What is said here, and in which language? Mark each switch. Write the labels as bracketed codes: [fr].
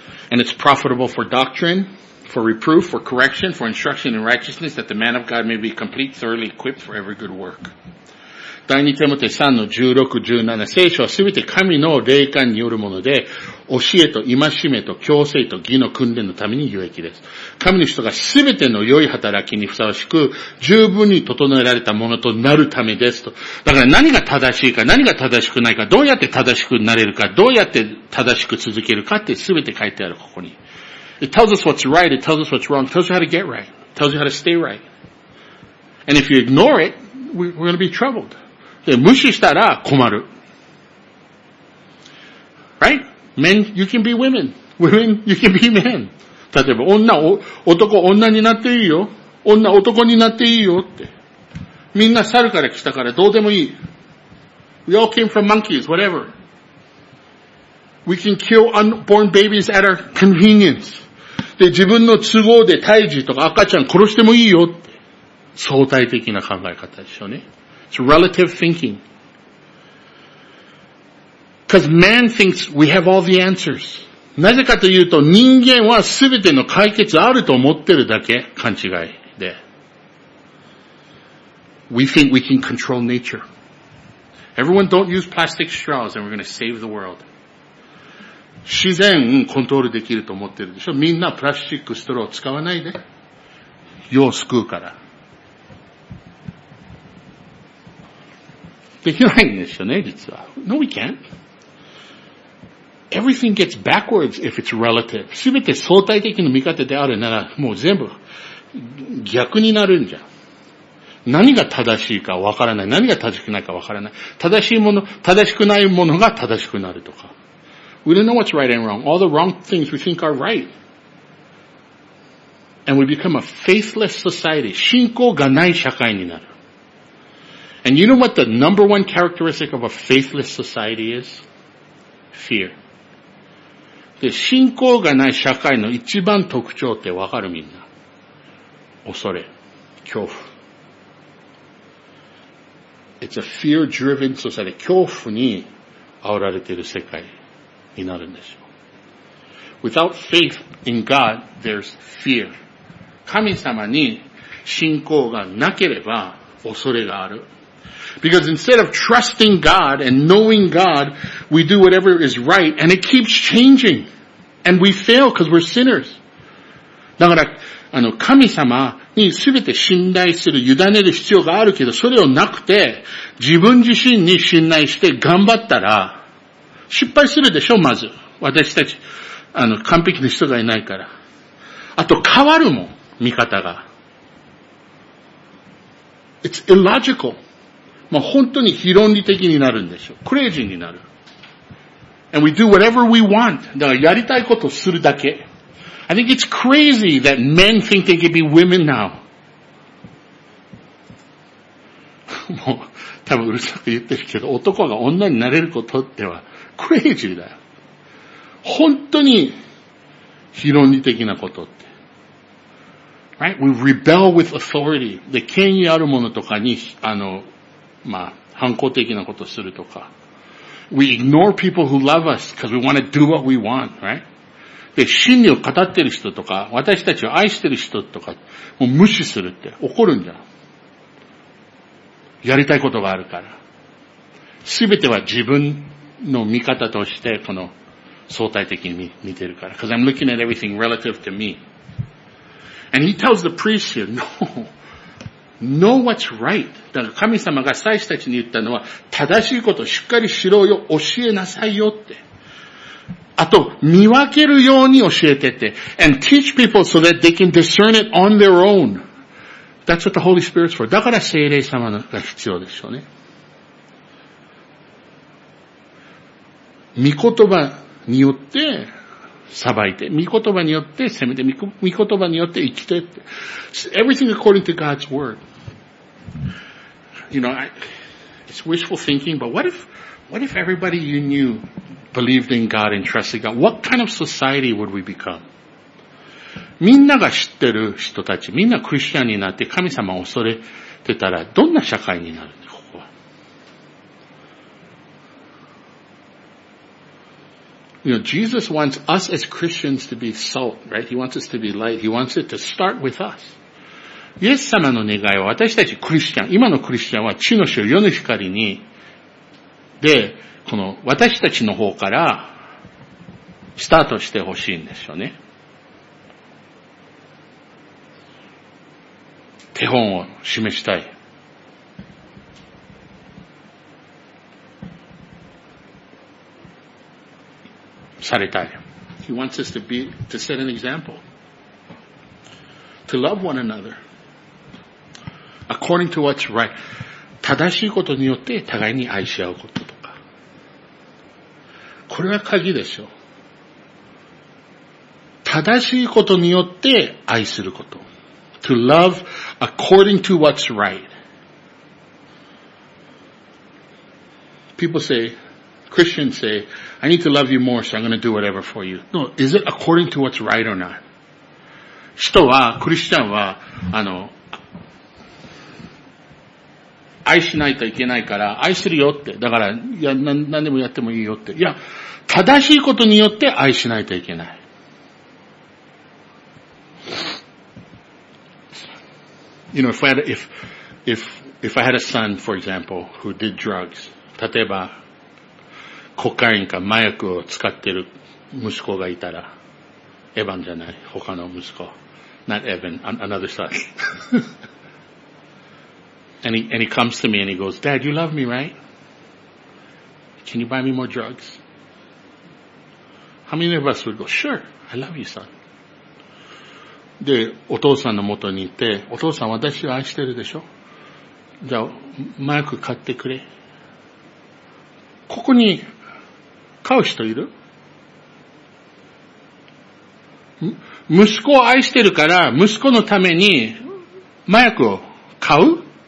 [en] And it's profitable for doctrine, for reproof, for correction, for instruction in righteousness, that the man of God may be complete, thoroughly equipped for every good work. [ja] 第二テモテ3の16、17、聖書はすべて神の霊感によるもので、教えと戒めと強制と義の訓練のために有益です。神の人がすべての良い働きにふさわしく、十分に整えられたものとなるためですと。だから何が正しいか、何が正しくないか、どうやって正しくなれるか、どうやって正しく続けるかってすべて書いてある、ここに。 [en] It tells us what's right, it tells us what's wrong, it tells you how to get right, it tells you how to stay right. And if you ignore it, we're going to be troubled. [ja] で、無視したら困る。 [en] Right? Men, you can be women. Women, you can be men. [ja] 例えば、男になっていいよ。男になっていいよって。みんな猿から来たからどうでもいい。 [en] We all came from monkeys, whatever. We can kill unborn babies at our convenience. [ja] で、自分の都合で胎児とか赤ちゃん殺してもいいよって相対的な考え方でしょうね。 [en] It's relative thinking. Because man thinks we have all the answers. [ja] なぜかというと人間は全ての解決あると思ってるだけ、勘違いで。 [en] We think we can control nature. Everyone don't use plastic straws and we're going to save the world. [ja] 自然コントロールできると思ってるでしょ。みんなプラスチックストロー使わないで。世を救うから。できないんですよね、実は。 [en] No, we can't. Everything gets backwards if it's relative. [ja] すべて相対的な見方であるなら、もう全部逆になるんじゃん。何が正しいかわからない。何が正しくないかわからない。正しいもの、正しくないものが正しくなるとか。 [en] We don't know what's right and wrong. All the wrong things we think are right. And we become a faithless society. [ja] 信仰がない社会になる。 [en] And you know what the number one characteristic of a faithless society is? Fear. [ja] で、信仰がない社会の一番特徴ってわかるみんな。恐れ。恐怖。 [en] It's a fear-driven society. [ja] 恐怖に煽られている世界。になるんでしょう。 [en] Without faith in God, there's fear. [ja] 神様に信仰がなければ恐れがある。 [en] Because instead of trusting God and knowing God, we do whatever is right and it keeps changing. And we fail because we're sinners. [ja] だから、神様に全て信頼する、委ねる必要があるけど、それをなくて、自分自身に信頼して頑張ったら、失敗するでしょ、まず。私たち、完璧な人がいないから。あと、変わるもん、見方が。 [en] It's illogical. [ja] まあ、本当に非論理的になるんでしょ。クレイジーになる。 [en] And we do whatever we want. [ja] だから、やりたいことをするだけ。 [en] I think it's crazy that men think they can be women now. [ja] もう、多分うるさく言ってるけど、男が女になれることっては、クレイジーだよ。本当に、非論理的なことって。 [en] Right? We rebel with authority. [ja] で、権威あるものとかに、まあ、反抗的なことするとか。 [en] We ignore people who love us because we want to do what we want, right? [ja] で、真理を語ってる人とか、私たちを愛してる人とか、もう無視するって、怒るんじゃん。やりたいことがあるから。すべては自分、の見方としてこの相対的に見てるから。 [en] Because I'm looking at everything relative to me. And he tells the priest here, no, know what's right. [ja] だから神様が祭司たちに言ったのは正しいことをしっかりしろよ、教えなさいよって。あと見分けるように教えてって。 [en] And teach people so that they can discern it on their own. That's what the Holy Spirit's for. [ja] だから聖霊様が必要でしょうね。御言葉によって裁いて、御言葉によって責めて、御言葉によって生きてって。 [en] Everything according to God's word. You know, it's wishful thinking, but what if everybody you knew believed in God and trusted God? What kind of society would we become? [ja] みんなが知ってる人たち、みんなクリスチャンになって神様を恐れてたら、どんな社会になるの？ [en] You know, Jesus wants us as Christians to be salt, right? He wants us to be light. He wants it to start with us. [ja] イエス様の願いは私たちクリスチャン、今のクリスチャンは地の塩、世の光に、で、この私たちの方からスタートしてほしいんですよね。手本を示したい。されたい。 [en] He wants us to set an example. To love one another. According to what's right. [ja] 正しいことによって互いに愛し合うこととか。これが鍵でしょう。正しいことによって愛すること。 [en] To love according to what's right. people say, Christians say, I need to love you more, so I'm going to do whatever for you. No, is it according to what's right or not? [ja] 人は、クリスチャンは、愛しないといけないから、愛するよって。だから、いや、何でもやってもいいよって。いや、正しいことによって愛しないといけない。 [en] You know, if I had a son, for example, who did drugs, [ja] 例えば、コカインか麻薬を使ってる息子がいたら、エヴァンじゃない、他の息子。 [en] Not Evan, another son. and he comes to me and he goes, Dad, you love me, right? Can you buy me more drugs? How many of us would go, sure, I love you, son. [ja] で、お父さんの元にいて、お父さん私を愛してるでしょ? じゃあ、マイク買ってくれ。ここに買う人いる? 息子を愛してるから、息子のために麻薬を買う?